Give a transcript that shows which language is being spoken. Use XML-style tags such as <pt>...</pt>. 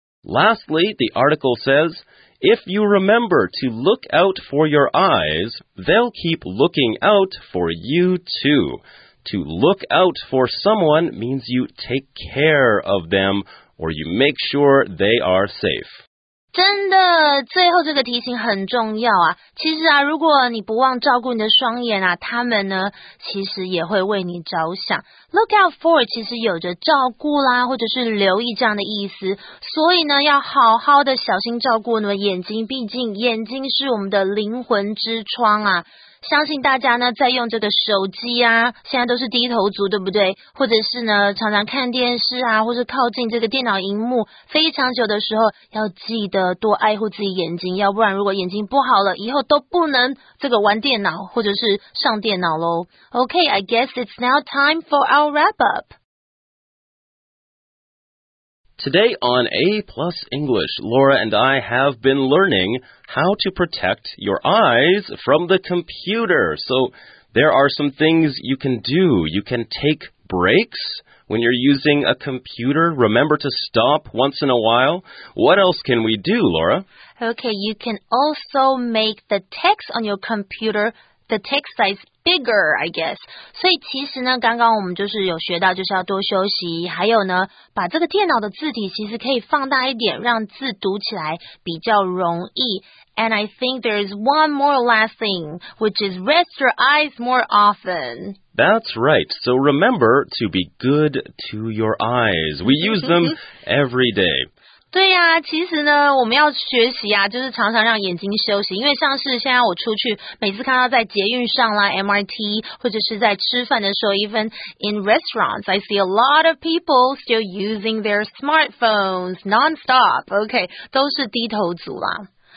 <en>Lastly, the article says, if you remember to look out for your eyes, they'll keep looking out for you too. To look out for someone means you take care of them,or you make sure they are safe.</en> <zh>真的，最后这个提醒很重要啊。其实啊，如果你不忘照顾你的双眼啊，他们呢，其实也会为你着想。 Look out for 其实有着照顾啦，或者是留意这样的意思。所以呢，要好好的小心照顾你的眼睛，毕竟眼睛是我们的灵魂之窗啊。相信大家呢在用这个手机啊，现在都是低头族，对不对？或者是呢常常看电视啊，或是靠近这个电脑荧幕非常久的时候，要记得多爱护自己眼睛，要不然如果眼睛不好了，以后都不能这个玩电脑或者是上电脑咯。</zh> <en>OK, I guess it's now time for our wrap up. Today on A Plus English, Laura and I have been learningHow to protect your eyes from the computer. So there are some things you can do. You can take breaks when you're using a computer. Remember to stop once in a while. What else can we do, Laura? Okay, you can also make the text on your computer, the text size bigger, I guess.</en> <zh>所以其实呢，刚刚我们就是有学到就是要多休息，还有呢，把这个电脑的字体其实可以放大一点，让字读起来比较容易。</zh> <en>And I think there is one more last thing, which is rest your eyes more often. That's right. So remember to be good to your eyes. We use them every day.</en> <zh>对呀、啊、其实呢我们要学习啊就是常常让眼睛休息，因为像是现在我出去每次看到在捷运上啦 MRT 或者是在吃饭的时候</zh> <en>even in restaurants, I see a lot of people still using their smartphones non-stop,</en> <zh>OK, 都是低头族啦。</zh>